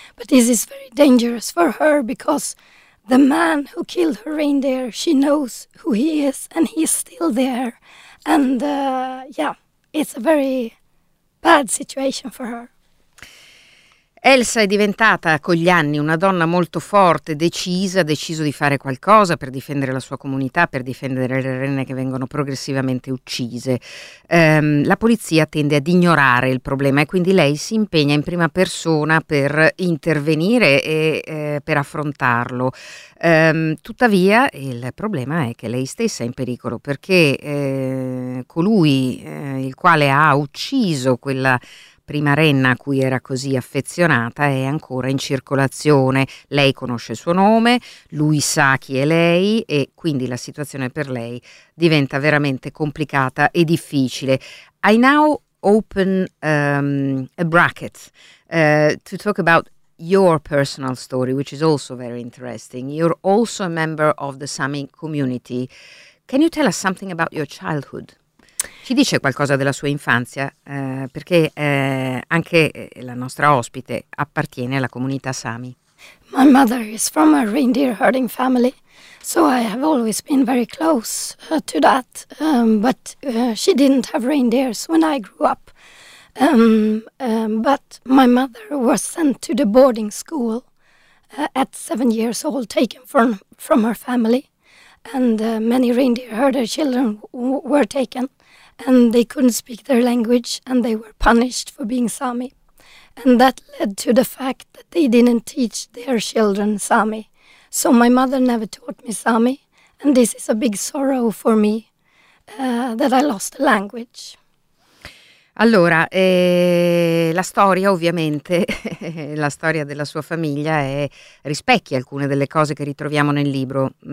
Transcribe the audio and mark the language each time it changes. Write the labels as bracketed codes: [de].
[en] But this is very dangerous for her because the man who killed her reindeer, she knows who he is and he's still there. And yeah, it's a very bad situation for her. [it] Elsa è diventata con gli anni una donna molto forte, decisa, ha deciso di fare qualcosa per difendere la sua comunità, per difendere le renne che vengono progressivamente uccise. La polizia tende ad ignorare il problema e quindi lei si impegna in prima persona per intervenire e per affrontarlo. Tuttavia il problema è che lei stessa è in pericolo perché colui il quale ha ucciso quella prima renna a cui era così affezionata è ancora in circolazione. Lei conosce il suo nome, lui sa chi è lei e quindi la situazione per lei diventa veramente complicata e difficile. [en] I now open a bracket to talk about your personal story, which is also very interesting. You're also a member of the Sami community. Can you tell us something about your childhood? [it] Ci dice qualcosa della sua infanzia, perché anche la nostra ospite appartiene alla comunità Sami. [en] My mother is from a reindeer herding family, so I have always been very close to that, but she didn't have reindeers when I grew up. But my mother was sent to the boarding school at 7 years old, taken from her family, and many reindeer herder children were taken. And they couldn't speak their language and they were punished for being Sami. And that led to the fact that they didn't teach their children Sami. So my mother never taught me Sami. And this is a big sorrow for me, that I lost the language. [it] Allora, la storia ovviamente, la storia della sua famiglia è rispecchia alcune delle cose che ritroviamo nel libro.